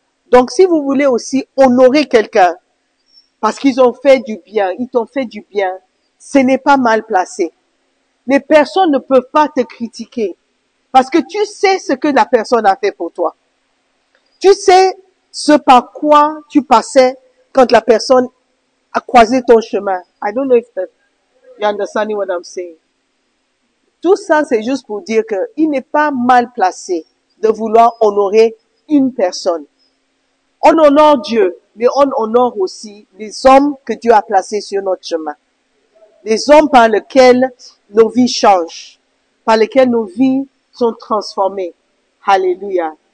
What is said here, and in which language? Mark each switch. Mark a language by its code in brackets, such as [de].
[fr] Donc, si vous voulez aussi honorer quelqu'un parce qu'ils ont fait du bien, ils t'ont fait du bien, ce n'est pas mal placé. Les personnes ne peuvent pas te critiquer parce que tu sais ce que la personne a fait pour toi. Tu sais ce par quoi tu passais quand la personne a croisé ton chemin. [en] I don't know if that you understand what I'm saying. [fr] Tout ça, c'est juste pour dire que il n'est pas mal placé de vouloir honorer une personne. On honore Dieu, mais on honore aussi les hommes que Dieu a placés sur notre chemin. Les hommes par lesquels nos vies changent, par lesquels nos vies sont transformées. Alléluia.